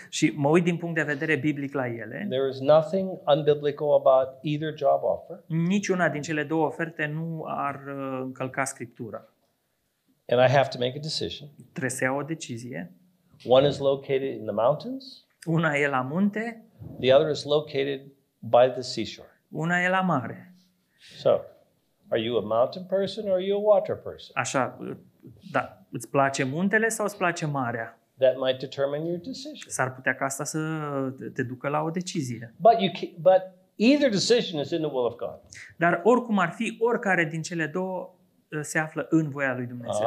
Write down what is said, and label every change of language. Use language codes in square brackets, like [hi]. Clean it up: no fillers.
[ro] Și mă uit din punct de vedere biblic la ele. [en] There is nothing unbiblical about either job offer. [ro] Niciuna din cele două oferte nu ar încălca Scriptura. [en] And I have to make a decision. [ro] Trebuie să iau o decizie. [en] One is located in the mountains. [ro] Una e la munte. [en] The other is located by the seashore. [ro] Una e la mare. [en] So, are you a mountain person or are you a water person? [ro] Așa, da, îți place muntele sau îți place marea? [en] That might determine your decision. [ro] S-ar putea ca asta să te ducă la o decizie. [en] But either decision is in the will of God. [ro] Dar oricum ar fi, oricare din cele două se află în voia lui Dumnezeu.